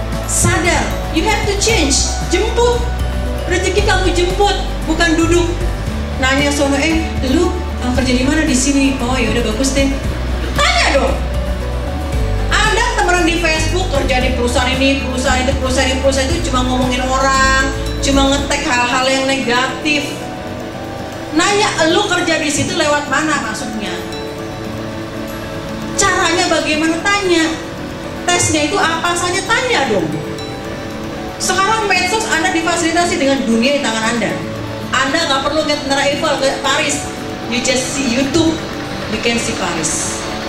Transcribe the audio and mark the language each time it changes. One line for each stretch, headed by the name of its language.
Indonesian: Sadar,
English: you have to change,
Indonesian: jemput. Rezeki kamu jemput, bukan duduk. Nanya sono, lu kerja di mana di sini? Oh yaudah bagus deh. Tanya dong. Orang di Facebook kerja di perusahaan itu cuma ngomongin orang, cuma ngetek hal-hal yang negatif. Nanya lu kerja di situ lewat mana maksudnya? Caranya bagaimana tanya? Tesnya itu apa saja tanya dong. Sekarang medsos Anda difasilitasi dengan dunia di tangan Anda. Anda nggak perlu
English: get travel
Indonesian: ke Paris.
English: You just see YouTube, you can see Paris.